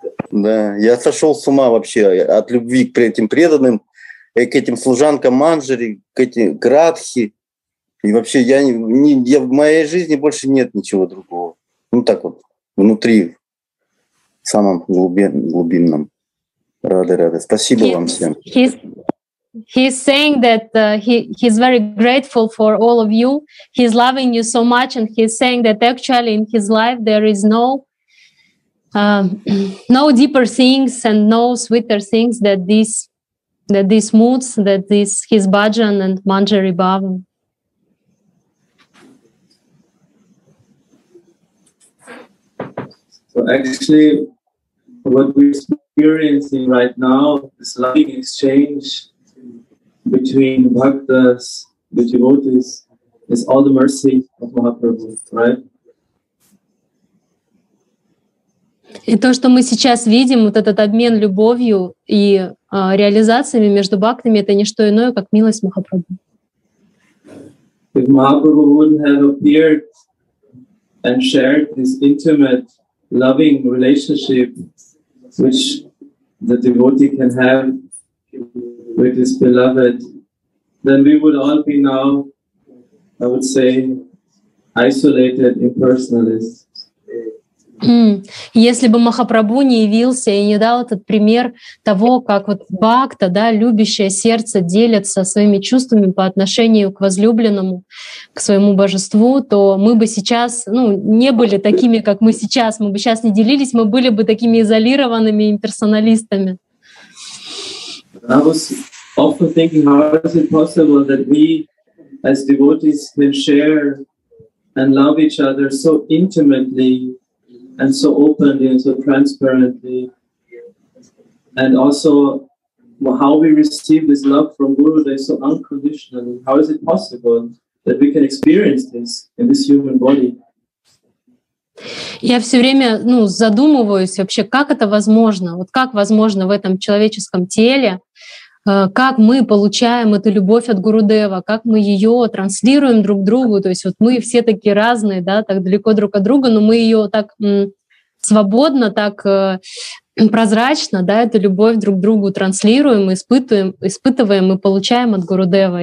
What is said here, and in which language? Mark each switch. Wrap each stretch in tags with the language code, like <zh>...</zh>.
<ru>Да, я сошел с ума вообще от любви к этим преданным, к этим служанкам Манджари, к этим Радхе. И вообще я в моей жизни больше нет ничего другого. Ну так вот, внутри. В самом глубинном. Рады. Спасибо вам всем.</ru> <en>He's saying that he's very grateful for all of you. He's loving you so much, and he's saying that actually in his life there is no deeper things and no sweeter things that these moods, that this his bhajan and manjari bhavan. So actually, what we're experiencing right now, this loving exchange between bhaktas, the devotees, is all the mercy of Mahaprabhu, right?</en> <ru>И то, что мы сейчас видим, вот этот обмен любовью и реализациями между бхактами, это не что иное, как милость Махапрабху.</ru> <en>If Mahaprabhu wouldn't have appeared and shared this intimate loving relationship which the devotee can have with his beloved, then we would all be now, I would say, isolated impersonalists.</en> <ru>Если бы Махапрабху не явился и не дал этот пример того, как вот бхакта, да, любящее сердце делится своими чувствами по отношению к возлюбленному, к своему божеству, то мы бы сейчас, ну, не были такими, как мы сейчас. Мы бы сейчас не делились, мы были бы такими изолированными имперсоналистами.</ru> <en>I was often thinking, how is it possible that we as devotees can share and love each other so intimately and so openly and so transparently, and also how we receive this love from Gurudev so unconditionally. How is it possible that we can experience this in this human body?</en> <ru>Я все время, ну, задумываюсь вообще, как это возможно? Вот как возможно в этом человеческом теле? Как мы получаем эту любовь от Гурудева, как мы ее транслируем друг другу, то есть вот мы все такие разные, да, так далеко друг от друга, но мы ее так свободно, так прозрачно, да, эту любовь друг другу транслируем, испытываем и получаем от Гурудева.</ru>